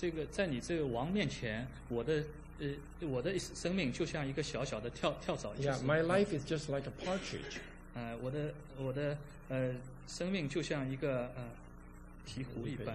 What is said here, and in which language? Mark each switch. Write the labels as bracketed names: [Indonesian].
[Chinese] 在你这个王面前，我的生命就像一个小小的跳蚤。 [English] Yeah, my life is just like a partridge. [Chinese] 我的生命就像一个鹈鹕